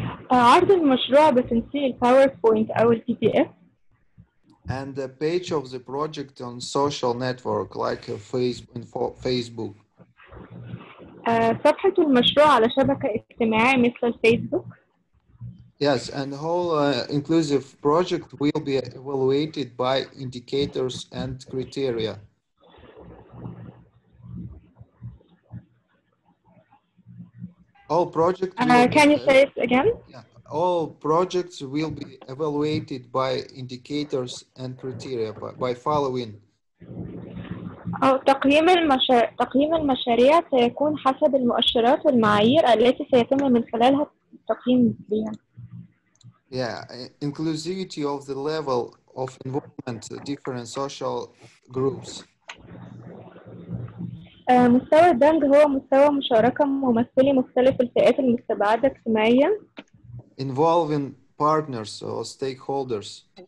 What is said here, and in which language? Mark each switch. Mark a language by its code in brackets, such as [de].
[ar] عرض المشروع بتنسيق PowerPoint أو PDF. [en] And the page of the project on social network like Facebook. [ar] صفحة المشروع على شبكة اجتماعية مثل الفيسبوك. [en] Yes, and whole inclusive project will be evaluated by indicators and criteria. All projects. Can you say it again? Yeah. All projects will be evaluated by indicators and criteria by following. [ar] تقييم المشاريع سيكون حسب المؤشرات والمعايير التي سيتم من خلالها التقييم بها. [en] Yeah, inclusivity of the level of involvement different social groups. [ar] مستوى الدمج هو مستوى مشاركة ممثلي مختلف الفئات المستبعدة اجتماعيا. [en] Involving partners or stakeholders.